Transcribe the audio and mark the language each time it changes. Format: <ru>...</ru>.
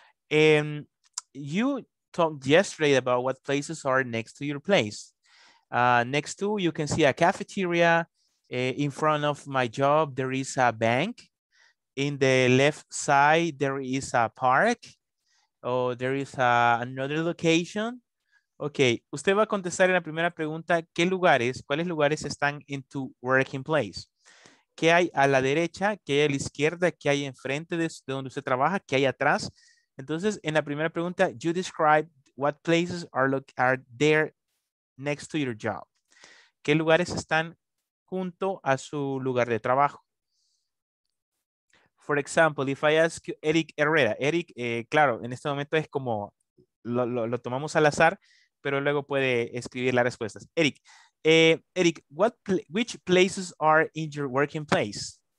<en>And you talked yesterday about what places are next to your place. Next to, you can see a cafeteria. In front of my job, there is a bank. In the left side, there is a park. Or there is another location.</en> <es>Ok, usted va a contestar en la primera pregunta, ¿qué lugares, cuáles lugares están en tu working place? ¿Qué hay a la derecha? ¿Qué hay a la izquierda? ¿Qué hay enfrente de donde usted trabaja? ¿Qué hay atrás? Entonces, en la primera pregunta,</es> <en>you describe what places are there next to your job.</en> <es>¿Qué lugares están junto a su lugar de trabajo?</es> <en>For example, if I ask</en> <es>Eric Herrera, Eric, claro, en este momento es como lo tomamos al azar, pero luego puede escribir las respuestas.</es> <en>Eric, which places are in your working place?</en>